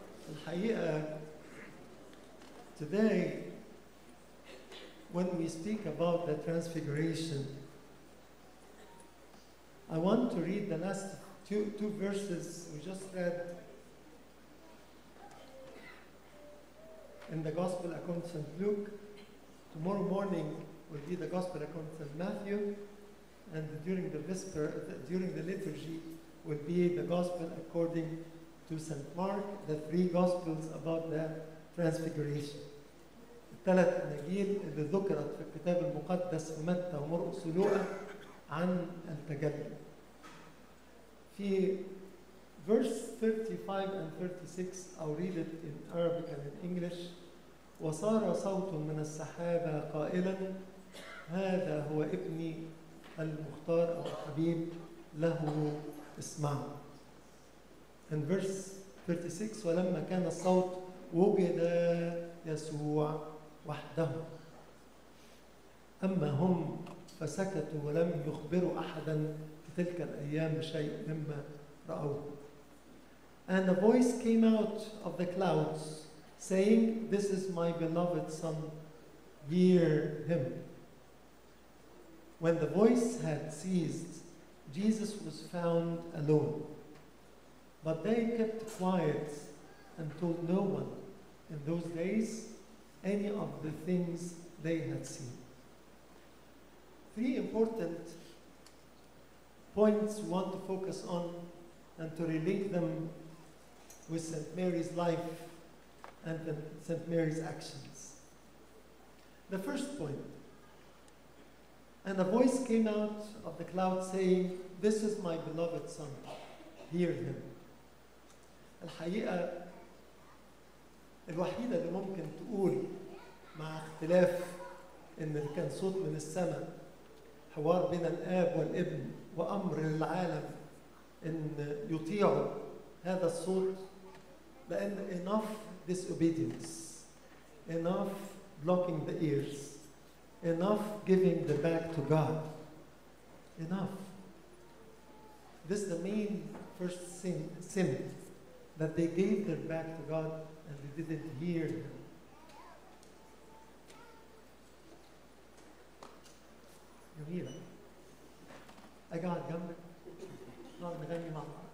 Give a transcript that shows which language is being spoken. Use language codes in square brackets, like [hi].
[ar] الحقيقة [en] today when we speak about the transfiguration I want to read the last two verses we just read in the gospel according to St. Luke. Tomorrow morning will be the gospel according to St. Matthew. And during the vesper, during the liturgy, will be the gospel according to St. Mark, the three gospels about the transfiguration. [ar] الثلاث أنجيل اللي ذكرت في الكتاب المقدس متى ومرقس ولوقا عن التجلي. في [en] verse 35 and 36, I'll read it in Arabic and in English. [ar] وصار صوت من السحابة قائلا هذا هو ابني المختار أو الحبيب له اسمعه. [en] In verse 36, [ar] ولما كان الصوت وجد يسوع وحده. أما هم فسكتوا ولم يخبروا أحدا في تلك الأيام شيء مما رأوه. [en] And a voice came out of the clouds saying, This is my beloved son, hear him. When the voice had ceased, Jesus was found alone. But they kept quiet and told no one in those days any of the things they had seen. Three important points we want to focus on and to relate them with St. Mary's life and St. Mary's actions. The first point, and a voice came out of the cloud saying, This is my beloved son, hear him. [ar] الحقيقة الوحيدة اللي ممكن تقول مع اختلاف ان كان صوت من السماء حوار بين الاب والابن وامر للعالم ان يطيعوا هذا الصوت لان [en] enough disobedience, enough blocking the ears, enough giving the back to God. Enough. This is the main first sin that they gave their back to God and they didn't hear him. You hear it? I got a gummer. No, I'm going to give you my mom.